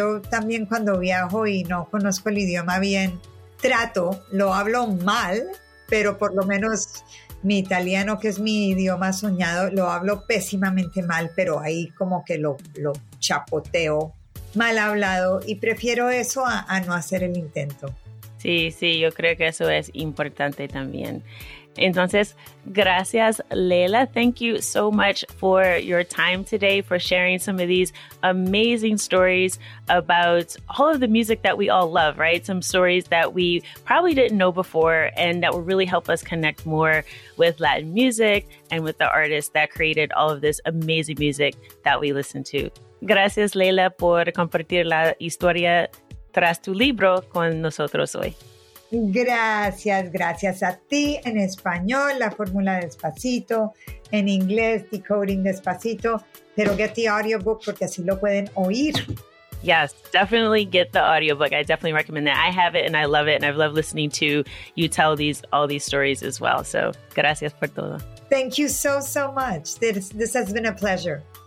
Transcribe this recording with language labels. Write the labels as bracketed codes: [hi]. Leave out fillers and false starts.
[es] Yo también cuando viajo y no conozco el idioma bien, trato, lo hablo mal, pero por lo menos mi italiano, que es mi idioma soñado, lo hablo pésimamente mal, pero ahí como que lo chapoteo mal hablado y prefiero eso a no hacer el intento. Sí, sí, yo creo que eso es importante también. Entonces, gracias, Leila. [en] Thank you so much for your time today, for sharing some of these amazing stories about all of the music that we all love, right? Some stories that we probably didn't know before and that will really help us connect more with Latin music and with the artists that created all of this amazing music that we listen to. [es] Gracias, Leila, por compartir la historia tras tu libro con nosotros hoy. Gracias, gracias a ti. En español, la fórmula Despacito. En inglés, Decoding Despacito. Pero get the audiobook porque así lo pueden oír. [en] Yes, definitely get the audiobook. I definitely recommend that. I have it and I love it. And I've loved listening to you tell all these stories as well. So, gracias por todo. Thank you so, so much. This has been a pleasure.